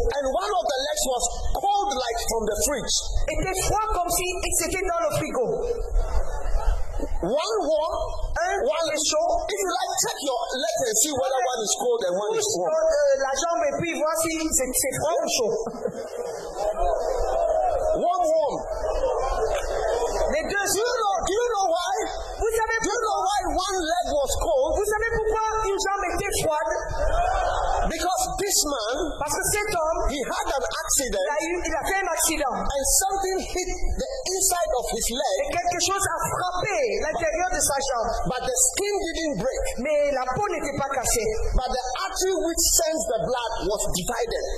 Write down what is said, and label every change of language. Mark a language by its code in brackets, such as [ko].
[en] and one of the legs was cold like from the fridge. [fr] Était froid comme si c'était dans le frigo. [en] One warm, [fr] un [en] one [fr] est chaud. [en] If you like, check your leg and see whether one is cold and one is warm. [fr] La jambe et puis voir si c'est froid ou chaud. [en] One warm. [fr] Les deux. [en] Do you know why? [fr] Vous savez [en] do you know why one leg was cold? [fr] Vous savez pourquoi une jambe était froide? [en] Because this man, [fr] parce que cet homme, [en] he had an accident. accident. [fr] Il a fait un accident. [en] And something hit the inside of his leg. [fr] Et quelque chose a frappé l'intérieur de sa jambe. [en] But the skin didn't break. [fr] Mais la peau n'était pas cassée. [en] But the artery which sends the blood was divided.